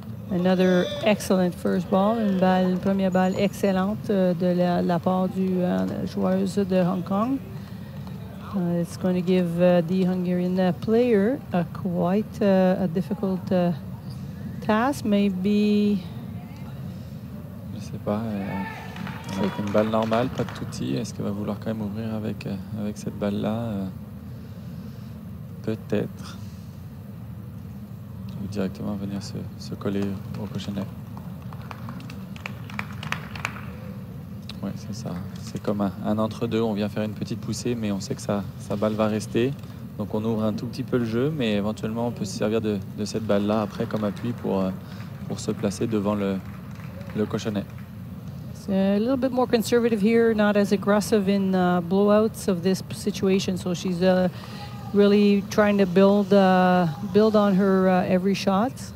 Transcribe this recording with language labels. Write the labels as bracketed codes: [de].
[en] Another excellent first ball, [fr] une première balle excellente de la part du joueuse de Hong Kong. [en] It's going to give the Hungarian player a difficult task, maybe. [fr] Je ne sais pas. Avec une balle normale, pas de touti. Est-ce qu'elle va vouloir quand même ouvrir avec cette balle-là? Peut-être. Directement venir se coller au prochain net. Oui, c'est ça. C'est comme un entre-deux. On vient faire une petite poussée, mais on sait que sa balle va rester. Donc on ouvre un tout petit peu le jeu, mais éventuellement on peut se servir de cette balle-là après comme appui pour se placer devant le cochonnet. [en] C'est a little bit more conservative here, not as aggressive in blowouts of this situation. So she's really trying to build on her every shot.